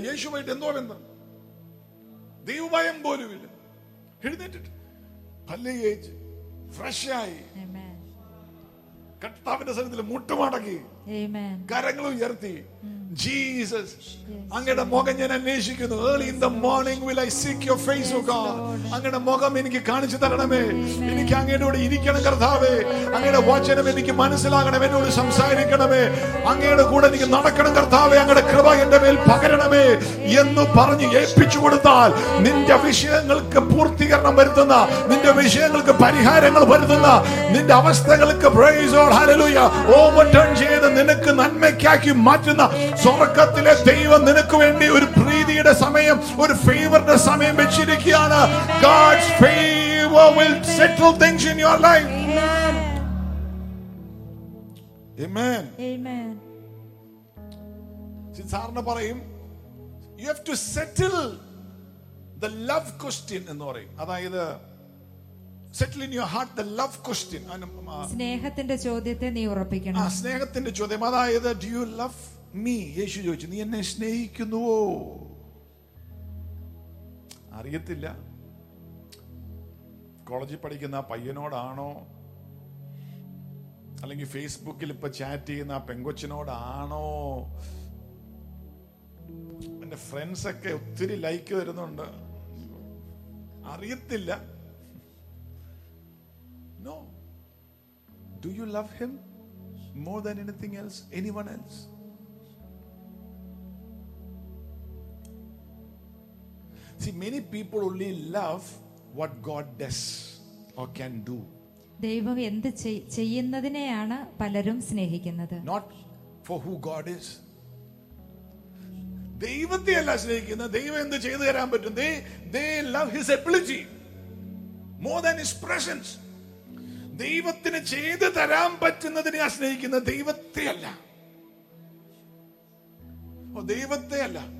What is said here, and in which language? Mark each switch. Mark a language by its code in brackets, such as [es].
[ml] യേശുവായിട്ട് എന്തോ എന്ന് ദൈവഭയം പോലുമില്ല. എഴുന്നേറ്റിട്ട് പല്ലി തേച്ച് ഫ്രഷ് ആയി കർത്താവിന്റെ സന്നിധിയിൽ മുട്ടുമടക്കി കരങ്ങൾ ഉയർത്തി, ജീസസ് അങ്ങയുടെ മുഖം ഞാൻ അന്വേഷിക്കുന്നു. [en] Early in the morning will I seek your face, O God. [ml] അങ്ങയുടെ മുഖം എനിക്ക് കാണിച്ചു തരണമേ, എനിക്ക് അങ്ങയുടെ കൂടെ ഇരിക്കണം കർത്താവേ, അങ്ങയുടെ വചനം എനിക്ക് മനസ്സിലാകണം, എന്നോട് സംസാരിക്കണമേ, അങ്ങയുടെ കൂടെ എനിക്ക് നടക്കണം കർത്താവേ, അങ്ങയുടെ കൃപ എന്റെ മേൽ പകരണമേ എന്ന് പറഞ്ഞ് ഏൽപ്പിച്ചു കൊടുത്താൽ നിന്റെ വിഷയങ്ങൾക്ക് പൂർത്തീകരണം വരുത്തുന്ന, നിന്റെ വിഷയങ്ങൾക്ക് പരിഹാരങ്ങൾ വരുത്തുന്ന, നിന്റെ അവസ്ഥകൾക്ക് പ്രൈസ് ഓർ ഹല്ലേലൂയ ഓവർടേൺ ചെയ്ത് നിനക്ക് നന്മയ്ക്കാക്കി മാറ്റുന്ന സ്വർഗത്തിലെ ദൈവം നിനക്ക് വേണ്ടി ഒരു പ്രീതിയുടെ സമയം, ഒരു ഫേവറിന്റെ സമയം വെച്ചിരിക്കുകയാണ്. [en] God's favor will settle things in your life. Amen. Amen. [ml] സാറിന് പറയും, [en] you have to settle the love question [ml] എന്ന് പറയും. [en] അതായത് settle in your heart the love question. [ml] സ്നേഹത്തിന്റെ ചോദ്യത്തെ നീ ഉറപ്പിക്കണം. ആ സ്നേഹത്തിന്റെ ചോദ്യം, അതായത് [en] do you love me? [ml] യേശു ചോദിച്ചു, നീ എന്നെ സ്നേഹിക്കുന്നുവോ? അറിയത്തില്ല കോളേജിൽ പഠിക്കുന്ന ആ പയ്യനോടാണോ, അല്ലെങ്കിൽ ഫേസ്ബുക്കിൽ ഇപ്പൊ ചാറ്റ് ചെയ്യുന്ന ആ പെങ്കൊച്ചിനോടാണോ. എന്റെ ഫ്രണ്ട്സ് ഒക്കെ ഒത്തിരി ലൈക്ക് തരുന്നുണ്ട്, അറിയത്തില്ല. [en] No, do you love him more than anything else, anyone else? See, many people only love what God does or can do. [ml] ദൈവം എന്ത് ചെയ്യുന്നതിനെയാണ് പലരും സ്നേഹിക്കുന്നത്. [en] Not for who God is. [ml] ദൈവത്തെയല്ല സ്നേഹിക്കുന്നത്, ദൈവം എന്ത് ചെയ്തു തരാൻ പറ്റും. [en] They love his ability more than his presence. [ml] ദൈവത്തിന് ചെയ്തു തരാൻ പറ്റുന്നതിനെ സ്നേഹിക്കുന്നത്, ദൈവത്തെയല്ല. ഓ, ദൈവത്തെയല്ല.